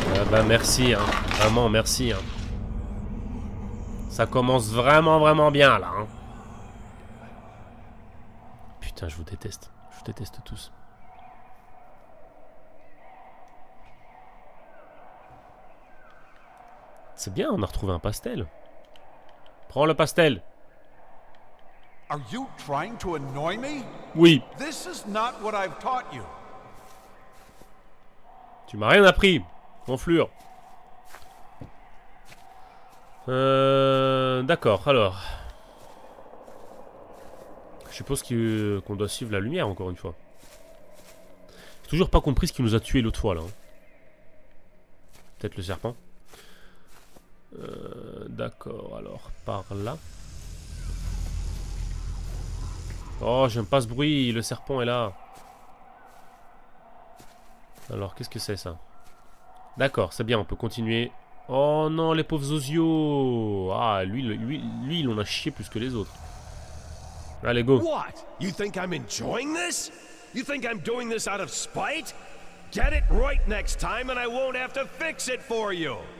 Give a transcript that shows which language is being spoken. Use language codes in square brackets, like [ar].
[fr] Bah merci hein. Vraiment merci hein. Ça commence vraiment vraiment bien là hein. Putain, je vous déteste. Je vous déteste tous. C'est bien, on a retrouvé un pastel. Prends le pastel. [en] Are you trying to annoy me? [fr] Oui. [en] This is not what I've taught you. [fr] Tu m'as rien appris, gonflure. D'accord, alors. Je suppose qu'on doit suivre la lumière encore une fois. J'ai toujours pas compris ce qui nous a tué l'autre fois là. Peut-être le serpent. D'accord, alors par là. Oh, j'aime pas ce bruit, le serpent est là. Alors, qu'est-ce que c'est ça? D'accord, c'est bien, on peut continuer. Oh non, les pauvres Ozio! Ah, lui, il en a chié plus que les autres. Allez, go! [en] What? You think I'm enjoying this? You think I'm doing this out of spite? Get it right next time and I won't have to fix it for you!